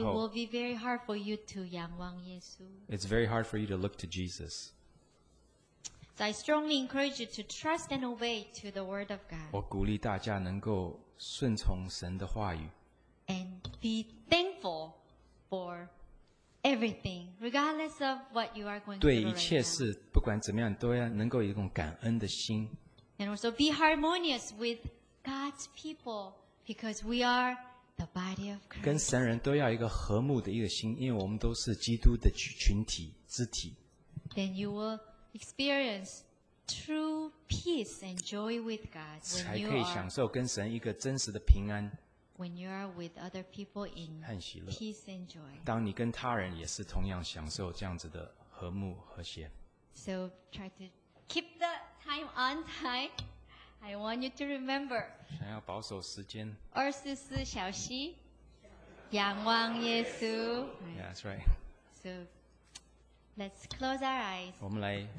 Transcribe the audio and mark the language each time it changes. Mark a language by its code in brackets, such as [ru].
[en] it will be very hard for you to [zh] 仰望耶稣。 [en] It's very hard for you to look to Jesus. So I strongly encourage you to trust and obey to the word of God. [zh] 我鼓励大家能够顺从神的话语。 [en] And be thankful for everything, regardless of what you are going through. [zh] 对一切事，不管怎么样，都要能够有一种感恩的心。 [en] And also be harmonious with God's people, because we are the body of Christ. [zh] 跟神人都要一个和睦的一个心，因为我们都是基督的群体肢体。 [en] Then you will experience true peace and joy with God. [zh] 才可以享受跟神一个真实的平安。 [en] When you are with other people in peace and joy. [zh] 当你跟他人也是同样享受这样子的和睦和谐。 [en] So try to keep the time on time. I want you to remember. [zh] 想要保守时间。二十四小时，仰望耶稣。 [en] Yeah, that's right. So, let's close our eyes. [zh] 我们来。